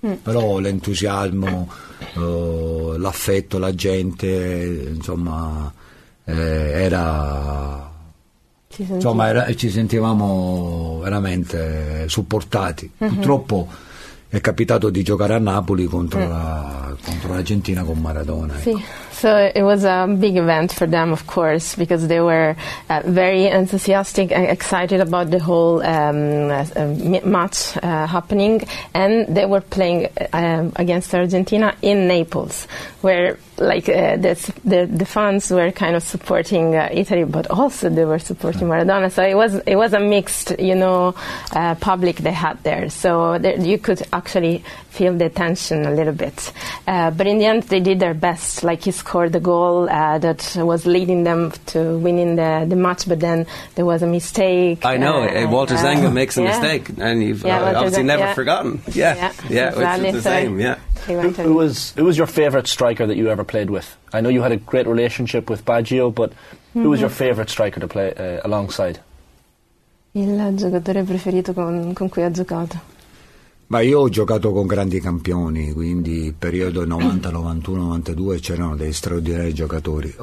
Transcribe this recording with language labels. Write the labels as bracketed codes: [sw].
[it] Però l'entusiasmo, l'affetto, la gente, insomma, era. Ci sentivamo veramente supportati. Mm-hmm. Purtroppo è capitato di giocare a Napoli contro contro l'Argentina con Maradona. Sì. [en] So it was a big event for them, of course, because they were very enthusiastic and excited about the whole match happening. And they were playing against Argentina in Naples, where like the fans were kind of supporting Italy, but also they were supporting Maradona. So it was a mixed, you know, public they had there. So you could actually feel the tension a little bit. But in the end, they did their best. Like he scored the goal that was leading them to winning the match, but then there was a mistake. I know, Walter Zenga makes a mistake, and you've obviously never forgotten. Yeah, exactly. It's the same, yeah. Who was your favourite striker that you ever played with? I know you had a great relationship with Baggio, but who was your favourite striker to play alongside? [it] Il giocatore preferito con cui ha giocato. Ma io ho giocato con grandi campioni, quindi periodo 90, 91, 92 c'erano dei straordinari giocatori.